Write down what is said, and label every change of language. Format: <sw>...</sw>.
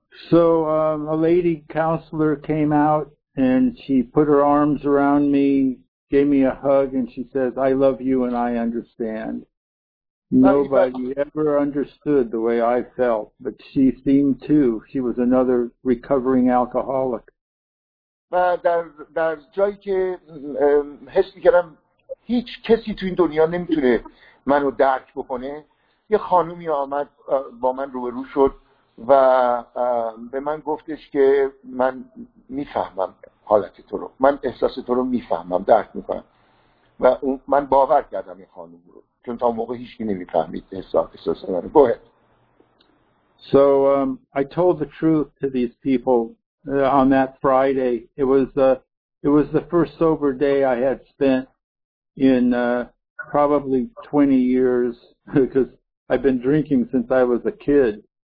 <en>So a lady counselor came out and she put her arms around me, gave me a hug, and she says, I love you and I understand. Nobody ever understood the way I felt, but she seemed to. She was another recovering alcoholic.</en> <fa>در جایی که حس میکردم هیچ کسی تو این دنیا نمیتونه منو درک بکنه، یه خانومی آمد با من روبرو شد و به من گفتش که من میفهمم حالت تو رو، من احساس تو رو میفهمم، درک میکنم. و من باور کردم این خانوم رو چون تا موقع هیچکی نمیفهمید احساس من رو. باید</fa> <en>So I told the truth to these people on that Friday. It was the first sober day I had spent in probably 20 years because I've been drinking since I was a kid.</en>